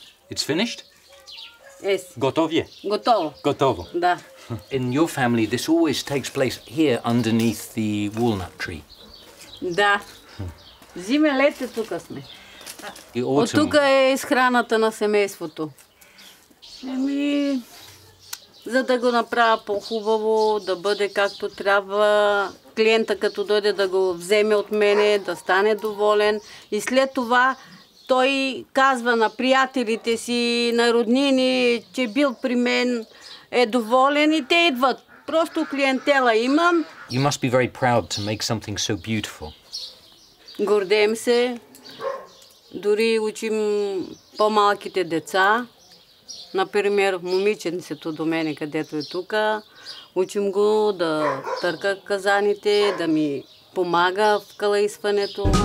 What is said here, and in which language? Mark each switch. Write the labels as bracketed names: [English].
[English] It's finished? Yes. [Bulgarian] Gotovje? Gotovo. Gotovo. Da. [English] In your family, this always takes place here underneath the walnut tree. [Bulgarian] Da. Зиме, лете, тука сме. От тука е храната на семейството. Еми, за да го направя по-хубаво, да бъде както трябва, клиента като дойде да го вземе от мене, да стане доволен. И след това той казва на приятелите си, на роднини, че бил при мен, е доволен и те идват. Просто клиентела имам. [English] You must be very proud to make something so beautiful. [Bulgarian] Гордеем се, дори учим по-малките деца. Например, момиченцето до мене, където е тук, учим го да търка казаните, да ми помага в калаисването.